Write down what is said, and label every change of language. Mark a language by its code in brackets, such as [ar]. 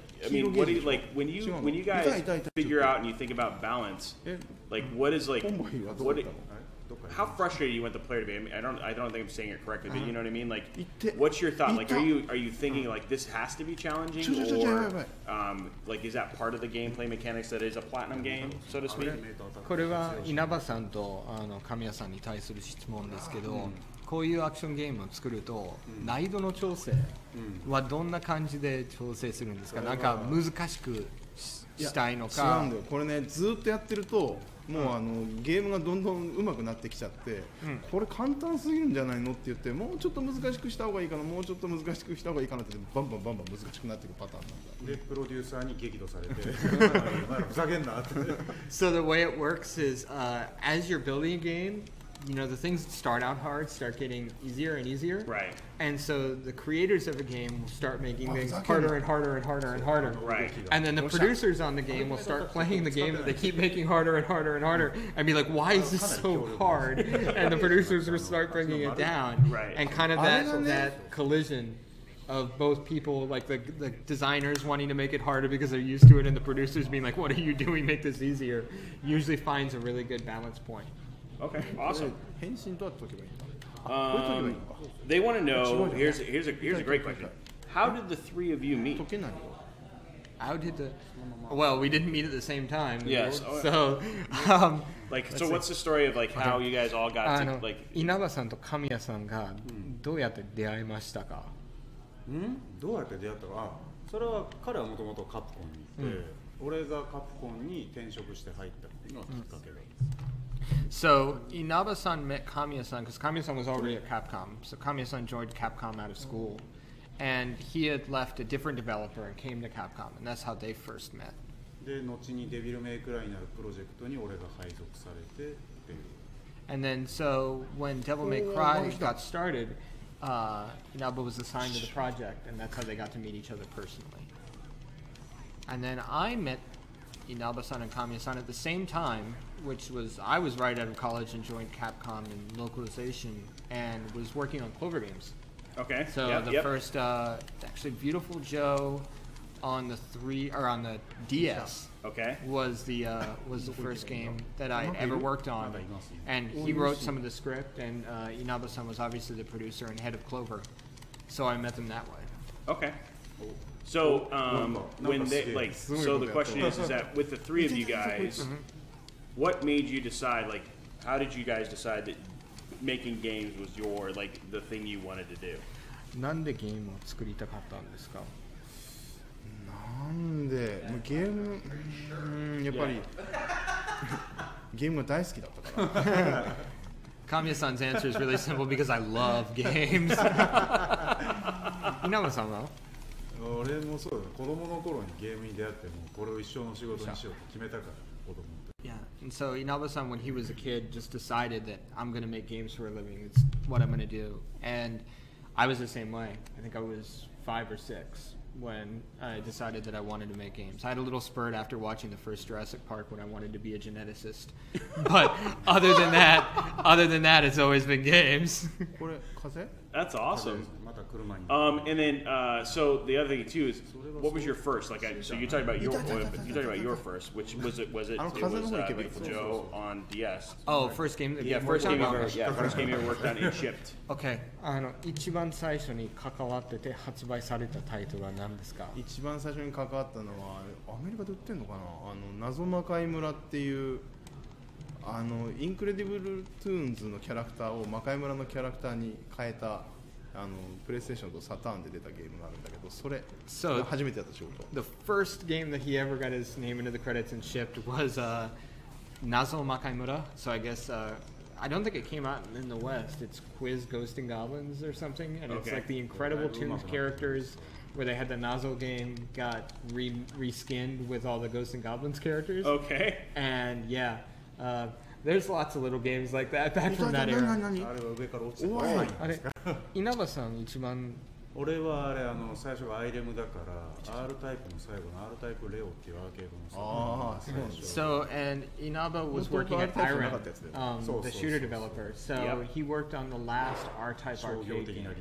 [en] Like, I mean, what do you, like, when you guys figure out and you think about balance, like, what is, like, what, how frustrated do you want the player to be? I mean, I don't think I'm saying it correctly, but you know what I mean? Like, what's your thought? Like, are you thinking, like, this has to be challenging? Or, like, is that part of the gameplay mechanics that is a platinum game, so to speak? [ja] これは稲葉さんと神谷さんに対する質問ですけど、こういうアクションゲームを作ると難易度の調整はどんな感じで調整するんですか？なんか難しく したいのか。違うんだよ。これね、ずっとやってるともうゲームがどんどん上手くなってきちゃって、これ簡単すぎるんじゃないのって言って、もうちょっと難しくした方がいいかな、もうちょっと難しくした方がいいかなって、バンバンバンバン難しくなっていくパターンなんだ。で、プロデューサーに激怒されて、ふざけんなって。 [en] So the way it works is, as you're building a game,you know, the things that start out hard start getting easier and easier. Right. And so the creators of a game will start making things harder and harder and harder and harder. Right. And then the producers on the game will start playing the game that they keep making harder and harder and harder and be like, why is this so hard? And the producers will start bringing it down. Right. And kind of that collision of both people, like the designers wanting to make it harder because they're used to it and the producers being like, what are you doing? Make this easier. Usually finds a really good balance point. Okay, awesome. [ja] 返信どうやって解けばいいんだ? [en] They want to know, here's a great question. How did the three of you meet? [ja] 解けないよ。 [en] How did the... Well, we didn't meet at the same time. Yes. So, what's the story of, like, how you guys all got to, like... [ja] 稲葉さんと神谷さんがどうやって出会いましたか? どうやって出会ったか?それは彼はもともとカプコンにいて、俺がカプコンに転職して入ったっていうのがきっかけで。 [en] So Inaba-san met Kamiya-san because Kamiya-san was already at Capcom. So Kamiya-san joined Capcom out of school, and he had left a different developer and came to Capcom, and that's how they first met. [ja] で、後にデビルメイクライナルプロジェクトに俺が配属されてっていう。 [en] And then, so when Devil May Cry got started, Inaba was assigned to the project, and that's how they got to meet each other personally. And then I met Inaba-san and Kamiya-san at the same time, which was I was right out of college and joined Capcom in localization and was working on Clover Games. Okay. So yep, the yep. first, actually, Beautiful Joe on the three or on the DS. Okay. Was the first game that I ever worked on, and he wrote some of the script, and Inaba-san was obviously the producer and head of Clover, so I met them that way. Okay. So when they like, so the question is that with the three of you guys, what made you decide, like, how did you guys decide that making games was your like the thing you wanted to do? [ja] なんでゲームを作りたかったんですか。なんで、もうゲーム、やっぱり、ゲームが大好きだったから。神谷さんの答えは非常にシンプルです、私はゲームを好きです。稲葉さんは？俺もそうだ、子供の頃にゲームに出会って、もうこれを一生の仕事にしようと決めたから、子供って。 [en] Yeah. And so, Inaba-san, when he was a kid, just decided that I'm going to make games for a living, it's what I'm going to do. And I was the same way. I think I was 5 or 6. When I decided that I wanted to make games, I had a little spurt after watching the first Jurassic Park when I wanted to be a geneticist. But other than that, it's always been games. That's awesome. And then, so the other thing too is, what was your first? Like, so you talked about your first, which was it Beautiful Joe on DS? Oh, first game. First game you ever worked on and shipped. Okay. [ja] あの一番最初に関わってて発売されたタイトルは何ですか。一番最初に関わったのはアメリカで売ってるのかな、あの謎魔界村っていう、あのインクレディブルトゥーンズのキャラクターを魔界村のキャラクターに変えた、あのプレイステーションとサターンで出たゲームがあるんだけど、それ初めてやった仕事。 [en] The first game that he ever got his name into the credits and shipped was 謎魔界村。 So I guess I don't think it came out in the West. It's Quiz Ghosts and Goblins or something. And okay. It's like the Incredible Toons characters where they had the Nozzle game got reskinned with all the Ghosts and Goblins characters. Okay. And yeah, there's lots of little games like that back from that era. [ja] Inaba-san, 一番俺はあれ、あの最初がアイレムだから R タイプの最後の R タイプレオっていうアーケードの最後の最初。 [en] So, and Inaba was working at Iron, the shooter developer. So, he worked on the last R type arcade game.